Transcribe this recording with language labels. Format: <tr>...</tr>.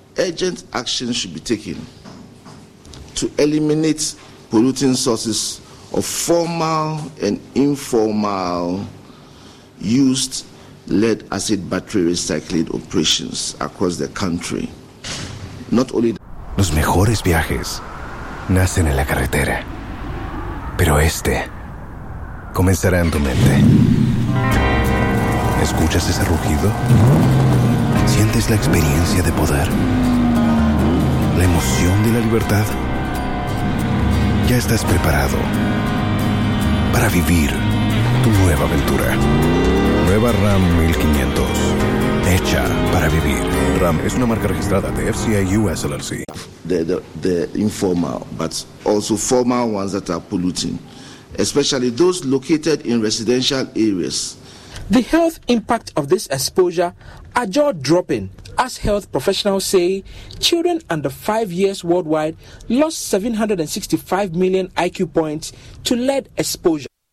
<en>Urgent action should be taken to eliminate polluting sources of formal and informal used lead acid battery recycling operations across the country. Not only</en> <es>los mejores viajes nacen en la carretera, pero este comenzará en tu mente. ¿Escuchas ese rugido? ¿Sientes la experiencia de poder? ¿La emoción de la libertad? Ya estás preparado para vivir tu nueva aventura. Nueva Ram 1500. Hecha para vivir. Ram es una marca registrada de FCA US LLC.</es> <en>The informal, but also formal ones that are polluting, especially those located in residential areas. The health impact of this exposure are jaw-dropping. As health professionals say, children under 5 years worldwide lost 765 million IQ points to lead exposure.</en>